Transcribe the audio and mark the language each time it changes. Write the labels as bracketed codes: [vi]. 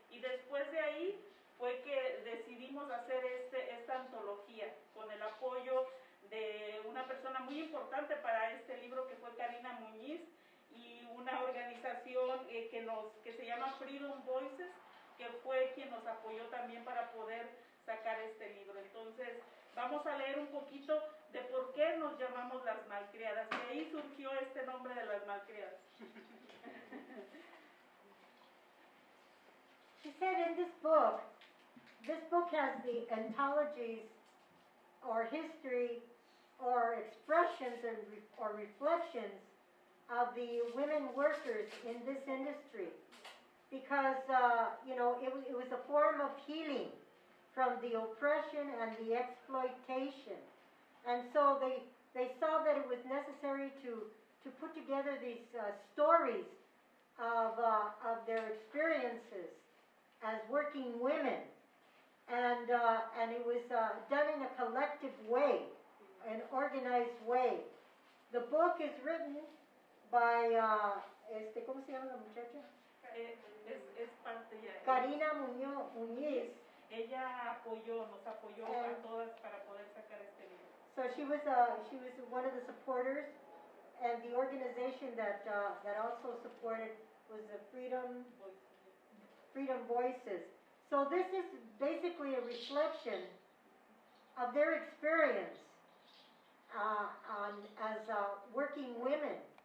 [es] Y después de ahí fue que decidimos hacer esta antología, con el apoyo de una persona muy importante para este libro, que fue Karina Muñiz, y una organización que se llama Freedom Voices, que fue quien nos apoyó también para poder sacar este libro. Entonces, vamos a leer un poquito de por qué nos llamamos las malcriadas. De ahí surgió este nombre de las malcriadas. [en] She said in this book has the anthologies or history or expressions or reflections of the women workers in this industry. Because, it was a form of healing from the oppression and the exploitation. And so they saw that it was necessary to put together these stories of their experiences as working women. And it was done in a collective way, an organized way. The book is written by, [es] ¿cómo se llama la muchacha? Es parte ya. Karina Muñiz. Ella apoyó, nos apoyó a todas para poder sacar este libro. [en] So she was one of the supporters, and the organization that also supported was the Freedom Voices. So this is basically a reflection of their experience as working women.